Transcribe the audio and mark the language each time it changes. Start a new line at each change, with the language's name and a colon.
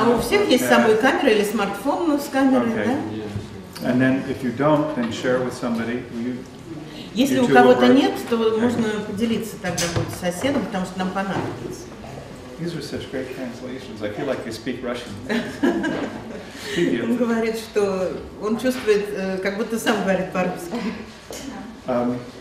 Russian: А у всех есть самый камера или смартфон, ну, с камерой, да?
English: And then, if you don't, then share with somebody.
Russian: Если у кого-то нет, то можно поделиться тогда будет с соседом, потому что нам понадобится.
English: These are such great translations. I feel like I speak Russian.
Russian: Он говорит, что он чувствует, как будто сам говорит по-русски.